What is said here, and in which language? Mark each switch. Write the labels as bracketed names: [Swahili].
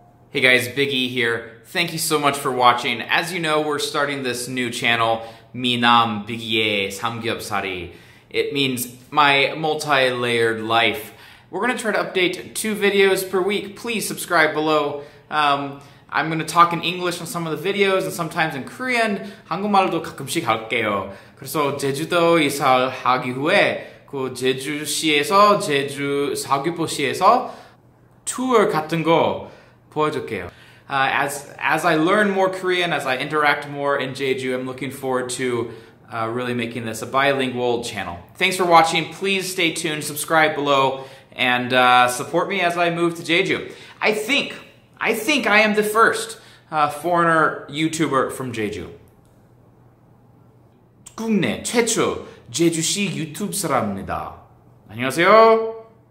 [English] Hey guys, Big E here. Thank you so much for watching. As you know, we're starting this new channel, Minam Big E Samgyeopsari. It means my multi-layered life. We're gonna try to update 2 videos per week. Please subscribe below. I'm gonna talk in English on some of the videos and sometimes in Korean. [Korean] 한국말도 가끔씩 할게요. 그래서 제주도 이사를 하기 후에 그 제주시에서 제주 사귀포시에서 투어 같은 거 보여줄게요. [English] As I learn more Korean, as I interact more in Jeju, I'm looking forward to really making this a bilingual channel. Thanks for watching. Please stay tuned, subscribe below, and support me as I move to Jeju. I think I am the first foreigner YouTuber from Jeju. [Korean] 국내 최초 제주시 유튜브 사람입니다. 안녕하세요.